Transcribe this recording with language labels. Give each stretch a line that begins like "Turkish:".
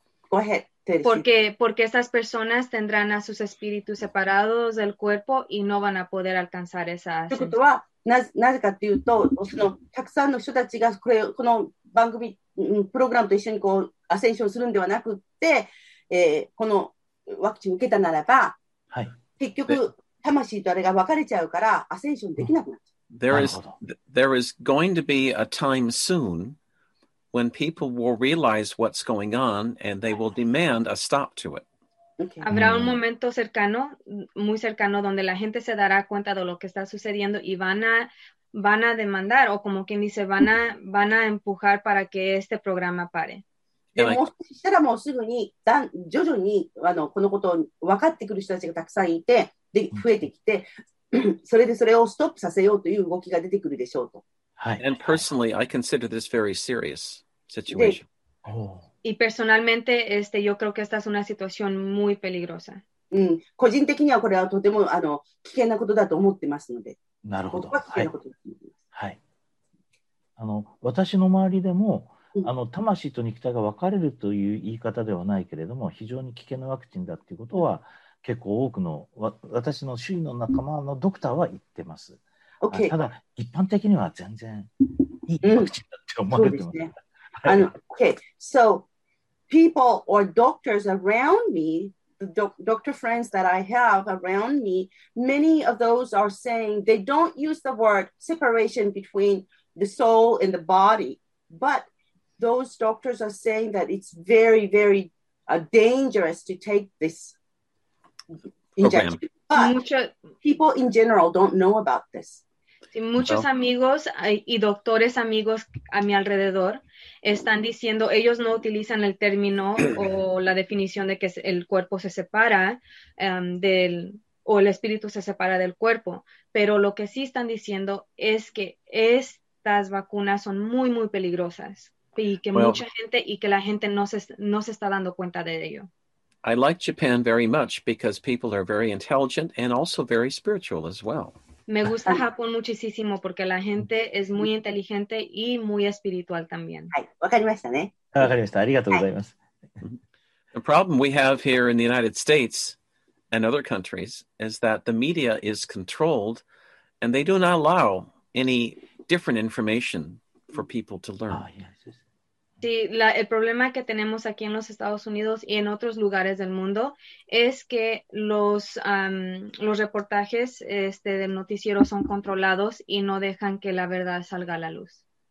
English: Go ahead.
Spanish: Porque esas personas tendrán a sus espíritus separados del cuerpo y no van a poder alcanzar esa ascensión.
Japanese: なぜかというと、そのたくさんの人たちがこの番組プログラムと一緒にこうアセンションするんではなくって、このワクチン受けたならば、はい、結局魂とあれが分かれちゃうからアセンションできなくなっちゃう。
English: There is going to be a time soon. When people will realize what's going on and they will demand a stop to it. Okay.
Spanish: Habrá un momento cercano, muy cercano, donde la gente se dará cuenta de lo que está sucediendo y van a demandar, o como quien dice, van a empujar para que este programa pare.
Japanese: もうすぐに、徐々にこのことを分かってくる人たちがたくさんいて、で、増えてきて、それでそれをストップさせようという動きが出てくるでしょうと。
English: And personally, I consider this very serious situation.
Spanish: Y personalmente, yo creo que esta es una situación muy peligrosa.
Japanese: 個人的にはこれはとても危険なことだと思ってますので。なるほど。はい。私の周りでも、魂と肉体が分かれるという言い方ではないけれども、非常に危険なワクチンだということは、結構多くの私の周囲の仲間のドクターは言ってます。
English: Okay.
Japanese: ただ一般的には全然いいワクチンだって思われてます。
English: ね、okay, so people or doctors around me, the doctor friends that I have around me, many of those are saying they don't use the word separation between the soul and the body, but those doctors are saying that it's very, very dangerous to take this injection. But people in general don't know about this.
Spanish: Sí, muchos amigos y doctores amigos a mi alrededor están diciendo, ellos no utilizan el término o la definición de que el cuerpo se separa del, o el espíritu se separa del cuerpo, pero lo que sí están diciendo es que estas vacunas son muy, muy peligrosas y que mucha gente y que la gente no se está dando cuenta de ello.
English: I like Japan very much because people are very intelligent and also very spiritual as well.
Spanish: Me gusta Japón muchísimo porque la gente es muy inteligente y muy espiritual también.
English: The problem we have here in the United States and other countries is that the media is controlled and they do not allow any different information for people to learn.
Spanish: Sí, el problema que tenemos aquí en los Estados Unidos y en otros lugares del mundo es que los reportajes del noticiero son controlados y no dejan que la verdad salga a la luz.